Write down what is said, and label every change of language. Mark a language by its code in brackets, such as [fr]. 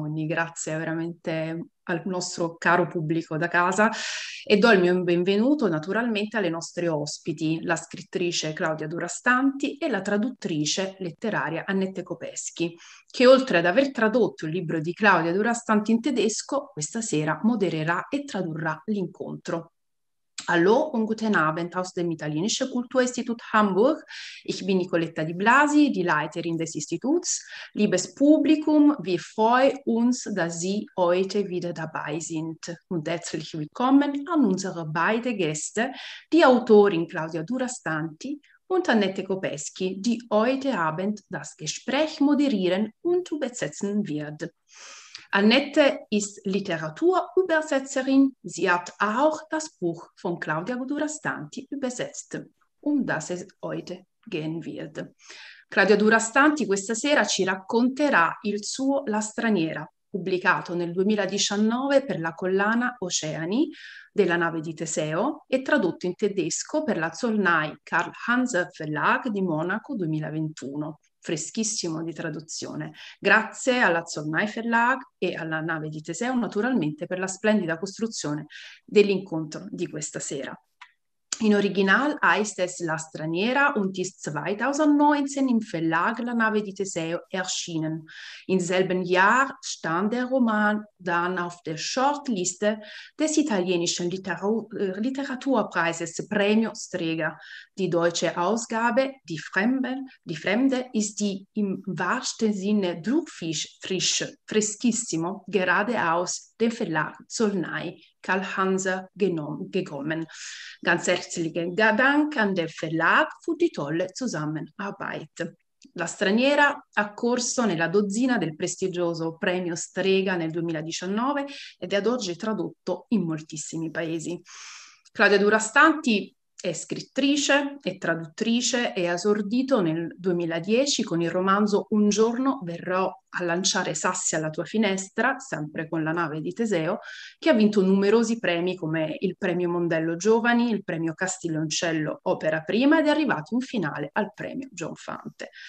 [it] Quindi grazie veramente al nostro caro pubblico da casa e do il mio benvenuto naturalmente alle nostre ospiti, la scrittrice Claudia Durastanti e la traduttrice letteraria Annette Copeschi, che oltre ad aver tradotto il libro di Claudia Durastanti in tedesco, questa sera modererà e tradurrà l'incontro. [de] Hallo und guten Abend aus dem Italienischen Kulturinstitut Hamburg. Ich bin Nicoletta Di Blasi, die Leiterin des Instituts. Liebes Publikum, wir freuen uns, dass Sie heute wieder dabei sind. Und herzlich willkommen an unsere beiden Gäste, die Autorin Claudia Durastanti und Annette Kopeski, die heute Abend das Gespräch moderieren und übersetzen wird. Annette ist Literaturübersetzerin. Sie hat auch das Buch von Claudia Durastanti übersetzt, um das es heute gehen wird. [it] Claudia Durastanti questa sera ci racconterà il suo La Straniera, pubblicato nel 2019 per la collana Oceani della nave di Teseo e tradotto in tedesco per la Zollnai Karl Hanser Verlag di Monaco 2021. Freschissimo di traduzione, grazie alla Zollnai Verlag e alla nave di Teseo, naturalmente, per la splendida costruzione dell'incontro di questa sera. [de] In original heißt es La Straniera und ist 2019 im Verlag La Nave di Teseo erschienen. Im selben Jahr stand der Roman dann auf der Shortliste des italienischen Literaturpreises Premio Strega. Die deutsche Ausgabe Die Fremde ist die im wahrsten Sinne druckfrisch, freschissimo, geradeaus dem Verlag Zollnai. Karl Hanser gekommen. Ganz herzlichen Dank an den Verlag für die tolle Zusammenarbeit. [it] La Straniera ha corso nella dozzina del prestigioso Premio Strega nel 2019 ed è ad oggi tradotto in moltissimi paesi. Claudia Durastanti è scrittrice e traduttrice e ha esordito nel 2010 con il romanzo Un giorno verrò a lanciare sassi alla tua finestra, sempre con la nave di Teseo, che ha vinto numerosi premi come il premio Mondello Giovani, il premio Castiglioncello Opera Prima ed è arrivato in finale al premio Jon Fante.